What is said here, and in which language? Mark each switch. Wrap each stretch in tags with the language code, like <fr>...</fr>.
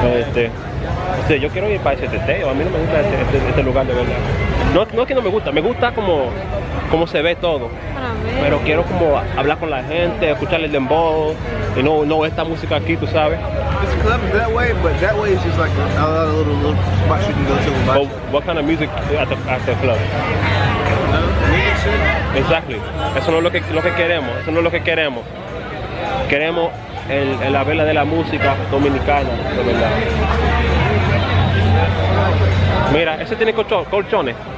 <es>O sea, yo quiero ir para ese teteo. A mí no me gusta este lugar, de verdad. No es que no me gusta, me gusta como se ve todo. Pero quiero como hablar con la gente, escuchar el dembow. Y no esta música aquí, tú sabes.</es> <en>It's club that way, but that way is just like a little spot you can go to. What kind of music at the club? Exactly.</en> <es>Eso no es lo que queremos. Eso no es lo que queremos. Queremos la vela de la música dominicana, de verdad. Mira, ese tiene colchones.</es>